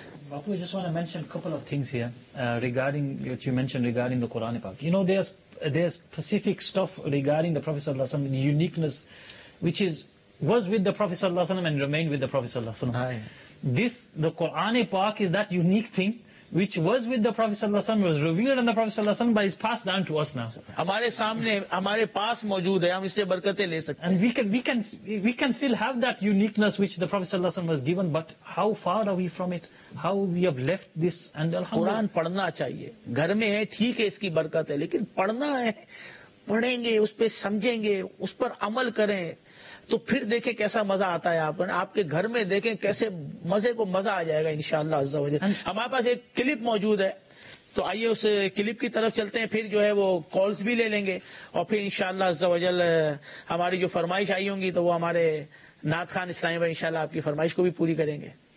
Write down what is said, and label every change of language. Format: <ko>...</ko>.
<en>Bapu, I just want to mention a couple of things here regarding what you mentioned regarding the Quran پاک۔ You know, there's specific stuff regarding the Prophet صلی اللہ علیہ وسلم, uniqueness which was with the Prophet صلی اللہ علیہ وسلم and remained with the Prophet صلی اللہ علیہ وسلم. This, the Quran پاک is that unique thing which was with the Prophet صلی اللہ علیہ وسلم, was revealed in the Prophet صلی اللہ علیہ وسلم, but is passed down to us now.</en> <ur>ہمارے سامنے ہمارے پاس موجود ہے، ہم اس سے برکتیں لے سکتے ہیں.</ur> <en>And we can still have that uniqueness which the Prophet صلی اللہ علیہ وسلم was given, but how far are we from it? How we have left this? And</en> <ur>الحمدللہ قرآن پڑھنا چاہیے، گھر میں ہے ٹھیک ہے اس کی برکت ہے، لیکن پڑھنا ہے، پڑھیں گے اس پہ، سمجھیں گے، اس پر عمل کریں تو پھر دیکھیں کیسا مزہ آتا ہے، آپ کے گھر میں دیکھیں کیسے مزے کو مزہ آ جائے گا انشاءاللہ عز و جل۔ ہمارے پاس ایک کلپ موجود ہے تو آئیے اس کلپ کی طرف چلتے ہیں، پھر جو ہے وہ کالز بھی لے لیں گے اور پھر انشاءاللہ عز و جل ہماری جو فرمائش آئی ہوں گی تو وہ ہمارے ناد خان اسلامی بھائی انشاءاللہ آپ کی فرمائش کو بھی پوری کریں گے۔</ur>